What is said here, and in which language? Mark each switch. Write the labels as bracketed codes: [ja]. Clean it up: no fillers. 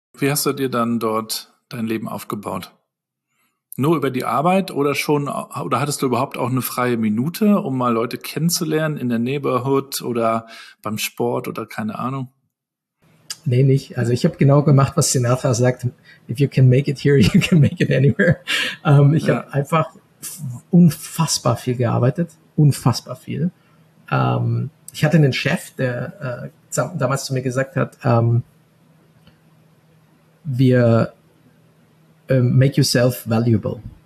[de] Wie hast du dir dann dort dein Leben aufgebaut? Nur über die Arbeit oder schon, oder hattest du überhaupt auch eine freie Minute, um mal Leute kennenzulernen in der Neighborhood oder beim Sport oder keine Ahnung? Nee, nicht. Also ich habe genau gemacht, was Sinatra sagt. [en] If you can make it here, you can make it anywhere. [de] Ich habe einfach unfassbar viel gearbeitet. Unfassbar viel. Ich hatte einen Chef, der damals zu mir gesagt hat, [en] make yourself valuable.